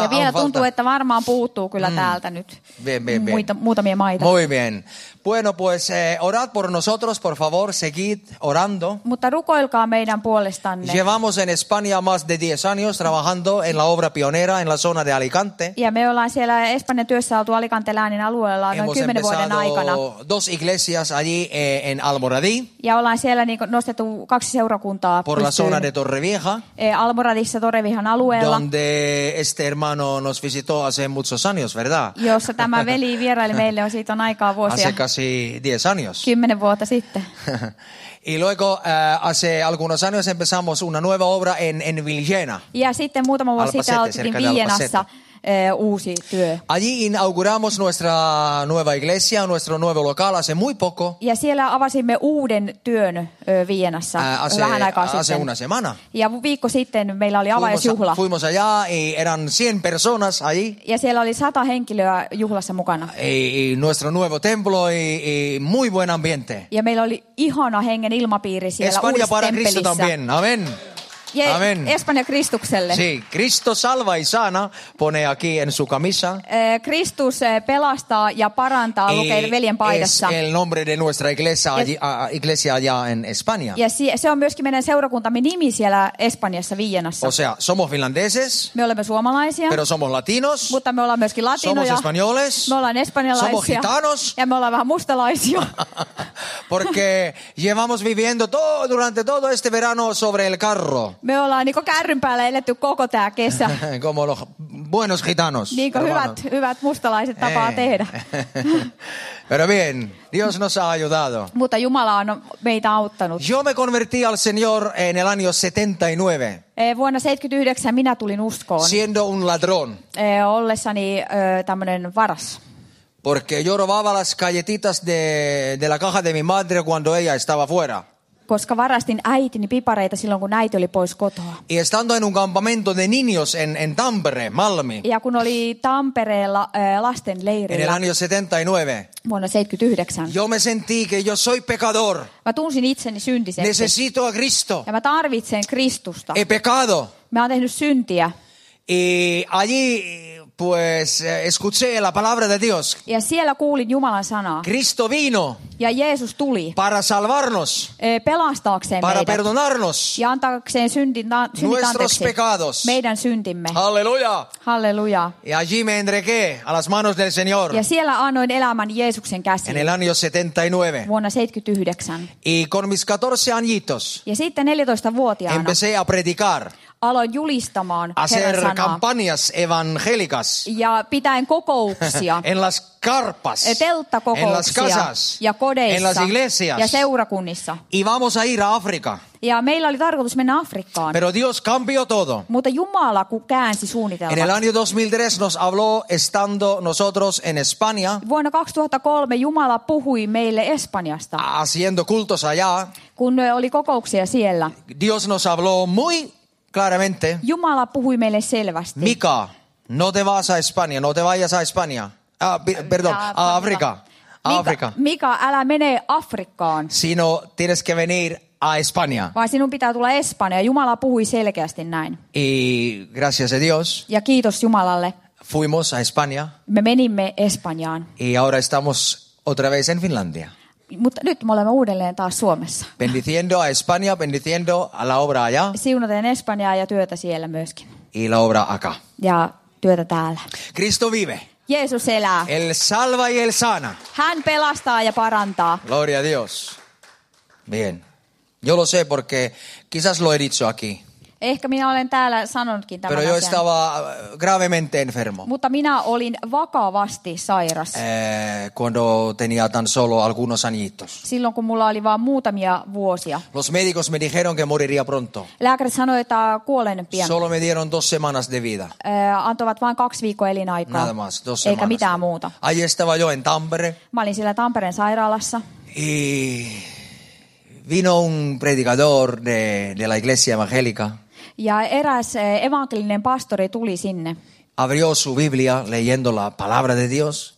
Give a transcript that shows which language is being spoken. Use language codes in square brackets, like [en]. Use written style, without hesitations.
[fi] Ja vielä tuntuu, että varmaan puuttuu kyllä täältä nyt muutamia maita. [es] Muy bien. Bueno, pues orad por nosotros, por favor, seguid orando. [fi] Mutta rukoilkaa meidän puolestanne. [es] Llevamos en España más de 10 años trabajando en la obra pionera en la zona de Alicante. [fi] Ja me ollaan siellä Espanjan työssä oltu Alicanten läänin alueella noin 10 vuoden aikana. [es] Hemos empezado dos iglesias allí en Almoradí. [fi] Ja ollaan siellä nostettu kaksi seurakuntaa [es] por la zona de Torrevieja. [fi] Almoradissa Torrevihan alueella. [es] Donde este hermano nos visitó hace muchos años, ¿verdad? [fi] Jossa tämä veli vieraili meille on siitä on aikaa vuosia. [es] Casi 10 años. [fi] 10 vuotta sitten. [es] Y luego hace algunos años empezamos una nueva obra en Villena. [fi] Ja sitten muutama vuosi sitten aloitettiin Villenassa uusi työ. [es] Allí inauguramos nuestra nueva iglesia, nuestro nuevo local hace muy poco. [fi] Ja siellä avasimme uuden työn Villenassa vähän aikaa sitten. [es] Hace una semana. [fi] Ja viikko sitten meillä oli avajaisjuhla. [es] Fuimos allá y eran 100 personas allí. [fi] Ja siellä oli 100 henkilöä juhlassa mukana. [es] Y nuestro nuevo templo y muy buen ambiente. [fi] Ja meillä oli ihana hengen ilmapiiri siellä uudessa templissa. [es] España para Cristo también. Amén. [fi] Amén. España Kristukselle. [es] Sí, Cristo salva y sana, pone aquí en su camisa. [fi] Kristus pelastaa ja parantaa, lukee veljen paidassa. [es] Es el nombre de nuestra iglesia, iglesia allá en España. [fi] Ja se on myöskin meidän seurakuntamme nimi siellä Espanjassa, Villenassa. [es] O sea, somos finlandeses. [fi] Me olemme suomalaisia. [es] Pero somos latinos. [fi] Mutta me ollaan myöskin latinoja. [es] Somos españoles. [fi] Me ollaan espanjalaisia. [es] Somos gitanos. [fi] Ja me ollaan vähän mustalaisia. [es] Porque llevamos viviendo durante todo este verano sobre el carro. [fi] Me ollaan niinku kärryn päällä eletty koko tää kesä. [es] Como los buenos gitanos. [fi] Niinku hyvät mustalaiset tapaa tehdä. [es] Pero bien, Dios nos ha ayudado. [fi] Mutta Jumala on meitä auttanut. [es] Yo me convertí al Señor en el año 79. [fi] Vuonna 79 minä tulin uskoon. [es] Siendo un ladrón. [fi] Ollessani tämmönen varas. [es] Porque yo robaba las galletitas de la caja de mi madre cuando ella estaba fuera. [fi] Koska varastin äitini pipareita silloin, kun äiti oli pois kotoa. [es] Y estando en un campamento de niños en Tampere, Malmi. [fi] Ja kun oli Tampereella lasten leirillä. [es] En el año 79. [fi] Vuonna 79. [es] Yo me sentí que yo soy pecador. [fi] Mä tunsin itseni syntiseksi. [es] Necesito a Cristo. [fi] Ja mä tarvitsen Kristusta. [es] He pecado. [fi] Mä oon tehnyt syntiä. [es] Y allí pues escuché la palabra de Dios. [fi] Ja siellä kuulin Jumalan sanaa. [es] Cristo vino. [fi] Ja Jeesus tuli. [es] Para salvarnos. [fi] Pelastaakseen [es] para [fi] meidät. [es] Para perdonarnos. [fi] Ja antaakseen syntit anteeksi. [es] Nuestros pecados. [fi] Meidän syntimme. Halleluja. Halleluja. [es] Y allí me entregué a las manos del Señor. [fi] Ja siellä annoin elämän Jeesuksen käsiin. [es] En el año 79. [fi] Vuonna 79. [es] Y con mis 14 añitos. [fi] Ja sitten 14-vuotiaana. [es] Empecé a predicar. [fi] Aloin julistamaan [es] hacer campañas evangélicas. [fi] Ja pitäen kokouksia. [es] En las carpas. [fi] Telttakokouksia. [es] En las casas. [fi] Ja kodeissa. [es] En las iglesias. [fi] Ja seurakunnissa. [es] Y vamos a ir a África. [fi] Ja meillä oli tarkoitus mennä Afrikkaan. [es] Pero Dios cambió todo. [fi] Mutta Jumala käänsi suunnitelmat. [es] En el año 2003 nos habló estando nosotros en España. [fi] Vuonna 2003 Jumala puhui meille Espanjasta. [es] Haciendo cultos allá. [fi] Kun oli kokouksia siellä. [es] Dios nos habló muy claramente. [fi] Jumala puhui meille selvästi. [es] Mika, no te vas a España, no te vayas a España. [fi] Afrika. Mika, älä mene Afrikkaan. [es] Sino tienes que venir a España. [fi] Vaan sinun pitää tulla Espanja. Jumala puhui selkeästi näin. [es] Y gracias a Dios. [fi] Ja kiitos Jumalalle. [es] Fuimos a España. [fi] Me menimme Espanjaan. [es] Y ahora estamos otra vez en Finlandia. [fi] Mutta nyt me olemme uudelleen taas Suomessa. [es] Bendiciendo a España, bendiciendo a la obra allá. [fi] Siunaten Espanjaa ja työtä siellä myöskin. [es] Y la obra acá. [fi] Ja työtä täällä. [es] Cristo vive. [fi] Jeesus elää. [es] El salva y el sana. [fi] Hän pelastaa ja parantaa. [es] Gloria a Dios. Bien. Yo lo sé porque quizás lo he dicho aquí. [fi] Ehkä minä olen täällä sanonutkin tämän [es] pero [fi] asian. [es] Yo estaba gravemente enfermo. [fi] Mutta minä olin vakavasti sairas. [es] Cuando tenía tan solo algunos añitos. [fi] Silloin kun mulla oli vain muutamia vuosia. [es] Los médicos me dijeron que moriría pronto. [fi] Lääkärit sanoi, että kuolen pian. [es] Solo me dieron dos semanas de vida. [fi] Antoivat vain kaksi viikkoa elinaikaa. [es] Nada más, dos semanas. [fi] Eikä mitään muuta. [es] Ahí estaba yo en Tampere. [fi] Mä olin siellä Tampereen sairaalassa. [es] Y vino un predicador de la iglesia evangélica. [fi] Ja eräs evankelinen pastori tuli sinne. [es] abrió su Biblia leyendo la palabra de Dios.